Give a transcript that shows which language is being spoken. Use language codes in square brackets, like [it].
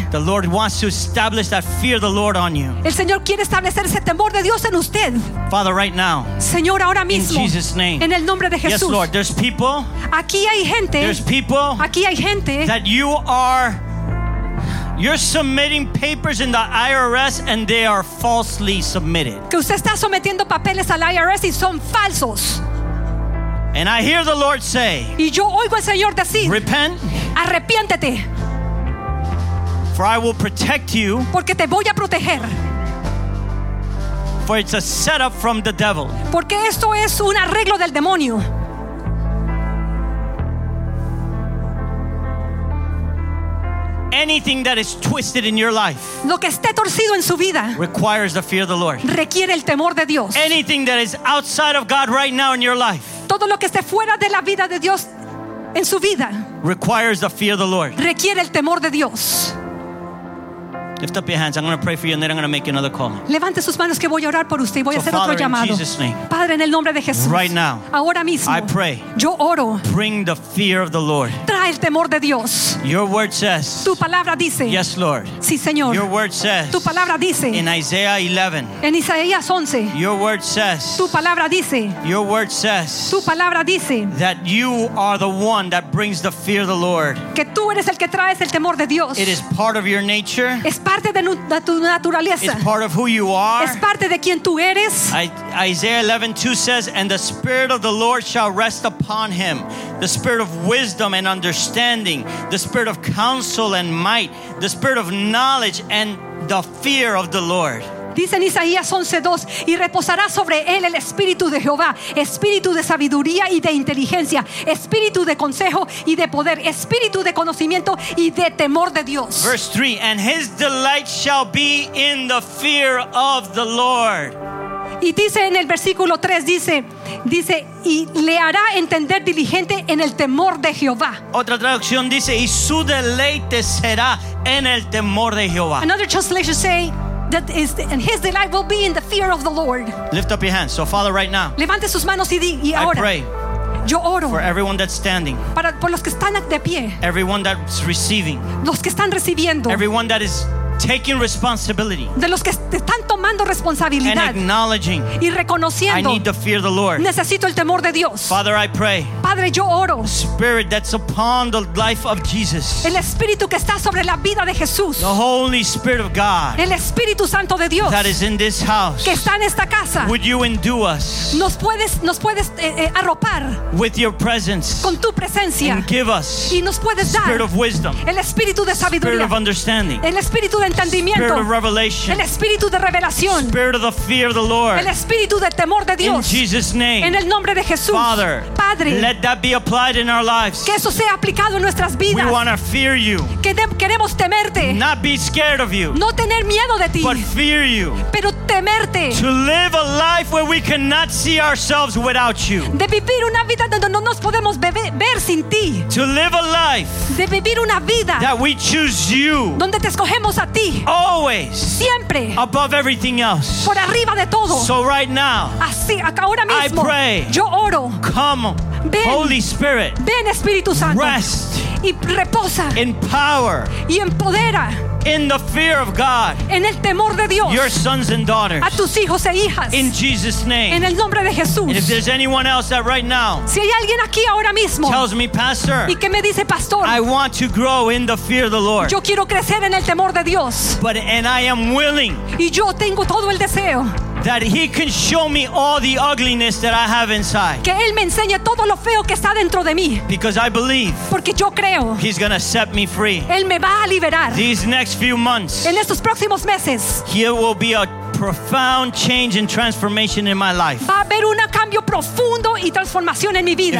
[en] The Lord wants to establish that fear of the Lord on you. [es] El Señor quiere establecer ese temor de Dios en usted. [en] Father, right now. [es] Señor, ahora mismo. [en] In Jesus' name. [es] En el nombre de Jesús. [en] Yes, Lord. There's people. [es] Aquí hay gente. [en] There's people. [es] Aquí hay gente. [en] That you're submitting papers in the IRS and they are falsely submitted. [es] Que usted está sometiendo papeles al IRS y son falsos. [en] And I hear the Lord say. [es] Y yo oigo al Señor decir. [en] Repent. [es] Arrepiéntete. [en] For I will protect you. [es] Porque te voy a proteger. [en] For it's a setup from the devil. [es] Porque esto es un arreglo del demonio. [en] Anything that is twisted in your life. [es] Lo que esté torcido en su vida. [en] Requires the fear of the Lord. [es] Requiere el temor de Dios. [en] Anything that is outside of God right now in your life. [es] Todo lo que esté fuera de la vida de Dios en su vida. [en] Requires the fear of the Lord. [es] Requiere el temor de Dios. [en] Lift up your hands. I'm going to pray for you, and then I'm going to make you another call. [es] Levante sus manos que voy a orar por usted y voy a hacer otro llamado. [en] Father, in Jesus' name. [es] Padre, en el nombre de Jesús. [en] Right now. [es] Ahora mismo. [en] I pray. [es] Yo oro. [en] Bring the fear of the Lord. [es] Trae el temor de Dios. [en] Your word says. [es] Tu palabra dice. [en] Yes, Lord. [es] Sí, Señor. [en] Your word says. [es] Tu palabra dice. [en] In Isaiah 11. [es] En Isaías 11. [en] Your word says. [es] Tu palabra dice. [en] Your word says. [es] Tu palabra dice. [en] That you are the one that brings the fear of the Lord. [es] Que tú eres el que traes el temor de Dios. [en] It is part of your nature. [es] Parte de tu naturaleza. [en] It's part of who you are. [es] Es parte de quien tú eres. [en] Isaiah 11:2 says, "And the spirit of the Lord shall rest upon him, the spirit of wisdom and understanding, the spirit of counsel and might, the spirit of knowledge and the fear of the Lord." [es] Dice en Isaías 11:2, "Y reposará sobre él el espíritu de Jehová, espíritu de sabiduría y de inteligencia, espíritu de consejo y de poder, espíritu de conocimiento y de temor de Dios." [en] Verse 3, "And his delight shall be in the fear of the Lord." [es] Y dice en el versículo 3, dice, "Y le hará entender diligente en el temor de Jehová." Otra traducción dice, "Y su deleite será en el temor de Jehová." [en] Another translation say, that is and his delight will be in the fear of the Lord. Lift up your hands. So Father, right now, [es] levante sus manos y ahora, [en] I pray. [es] Yo oro [en] for everyone that's standing, [es] para, por los que están de pie, [en] everyone that's receiving, [es] los que están recibiendo, [en] everyone that is taking responsibility, [es] de los que están tomando responsabilidad, [en] and acknowledging, [es] y reconociendo, [en] I need to fear the Lord. [es] Necesito el temor de Dios. [en] Father, I pray. [es] Padre, yo oro. [en] The Spirit that's upon the life of Jesus. [es] El Espíritu que está sobre la vida de Jesús. [en] The Holy Spirit of God. [es] El Espíritu Santo de Dios. [en] That is in this house. [es] Que está en esta casa. [en] Would you endue us? [es] Nos puedes arropar. [en] With your presence. [es] Con tu presencia. [en] And give us. [es] Y nos puedes dar. [en] Spirit of wisdom. [es] El Espíritu de sabiduría. [en] Spirit of understanding. [es] El Espíritu de entendimiento. [en] Spirit of revelation. [es] El Espíritu de revelación. [en] Spirit of the fear of the Lord. [es] El Espíritu del temor de Dios. [en] In Jesus' name. [es] En el nombre de Jesús. [en] Father. [es] Padre. [en] Let that be applied in our lives. [es] Que eso sea aplicado en nuestras vidas. [en] We want to fear you. [es] Queremos temerte. [en] Not be scared of you. [es] No tener miedo de ti. [en] But fear you. [es] Pero temerte. [en] To live a life where we cannot see ourselves without you. [es] De vivir una vida donde no nos podemos ver sin ti. [en] To live a life. [es] De vivir una vida. [en] That we choose you. [es] Donde te escogemos a ti. [en] Always. [es] Siempre. [en] Above everything else. [es] Por arriba de todo. [en] So right now. [es] Así, ahora mismo. [en] I pray. [es] Yo oro. [en] Come. [es] Ven, [en] Holy Spirit, [es] ven Espíritu Santo, [en] rest [es] y reposa, [en] in power [es] y empodera, [en] in the fear of God, [es] en el temor de Dios, [en] your sons and daughters, [es] a tus hijos e hijas, [en] in Jesus' name, [es] en el nombre de Jesús. [en] And if there's anyone else that right now, [es] si hay alguien aquí ahora mismo, [en] tells me, Pastor, [es] y que me dice, Pastor, [en] I want to grow in the fear of the Lord, [es] yo quiero crecer en el temor de Dios, [en] but and I am willing, [es] y yo tengo todo el deseo, [en] that he can show me all the ugliness that I have inside. [es] Que él me enseñe todo lo feo que está dentro de mí. [en] Because I believe. [es] Porque yo creo. [en] He's gonna set me free. [es] Él me va a liberar. [en] These next few months. [es] En estos próximos meses. [en] Here will be a profound change and transformation in my life. [es] Va a haber un cambio profundo y transformación en mi vida.